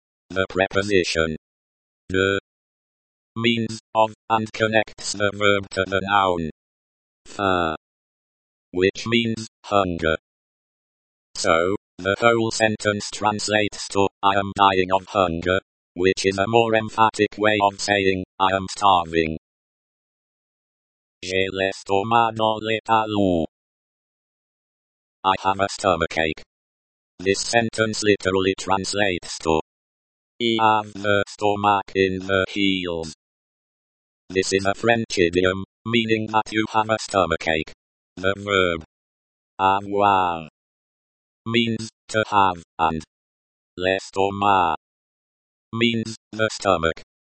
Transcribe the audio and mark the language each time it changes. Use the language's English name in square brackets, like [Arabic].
[English] The preposition de means of and connects the verb to the noun faim, which means hunger. So, the whole sentence translates to, I am dying of hunger, which is a more emphatic way of saying, I am starving. [French] J'ai l'estomac dans les talons. [English] I have a stomachache. This sentence literally translates to, I have the stomach in the heels. This is a French idiom, meaning that you have a stomachache. The verb avoir means to have, and l'estomac means the stomach.